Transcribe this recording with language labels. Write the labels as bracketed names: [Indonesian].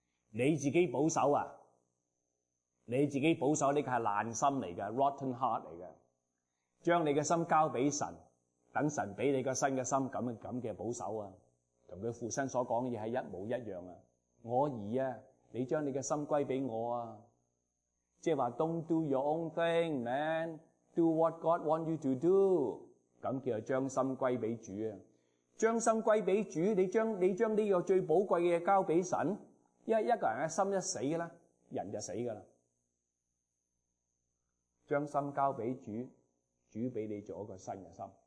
[Chinese] 你自己保守啊，你自己保守，这个是烂心来的， [English] rotten heart [Chinese] 来的。将你的心交给神，等神给你个新的心，这样的保守啊，跟他父亲所讲的是一模一样啊。我儿啊，你将你的心归给我啊。即是说 [English] don't do your own thing, man, do what God want you to do. [Chinese] 这叫做将心归给主。将心归给主，你将这个最宝贵的东西交给神，因为一个人的心一死了，人就死了。将心交给主，主给你做一个新的心。